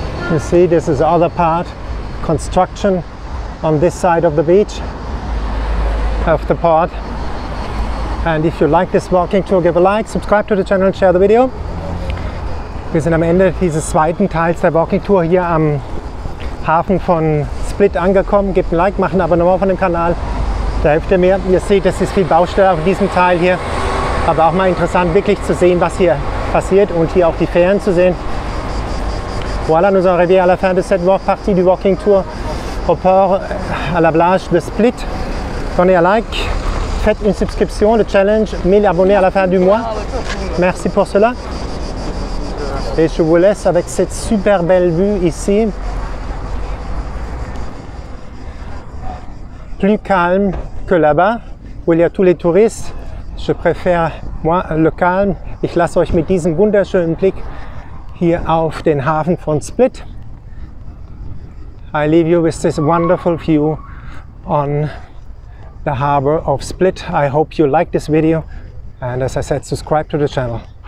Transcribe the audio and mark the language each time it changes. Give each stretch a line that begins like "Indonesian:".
English: You see, this is the other part, construction on this side of the beach, of the port. And if you like this walking tour, give a like, subscribe to the channel and share the video.
German: Wir sind am Ende dieses zweiten Teils der Walking Tour hier am Hafen von Split angekommen. Gebt ein Like, macht ein Abonnement von dem Kanal, da hilft ihr mir. Ihr seht, es ist viel Baustelle auf diesem Teil hier. Aber auch mal interessant, wirklich zu sehen, was hier passiert und hier auch die Fähren zu sehen.
French: Voilà, nous sommes arrivés à la fin de cette partie du walking tour au port à la plage de Split. Donnez un like, faites une subscription, le challenge 1000 abonnés à la fin du mois. Merci pour cela. Et je vous laisse avec cette super belle vue ici. Plus calme que là-bas, où il y a tous les touristes. Je préfère, moi, le calme.
German: Ich lasse euch mit diesem wunderschönen Blick hier auf den Hafen von Split.
English: I leave you with this wonderful view on the harbor of Split. I hope you like this video. And as I said, subscribe to the channel.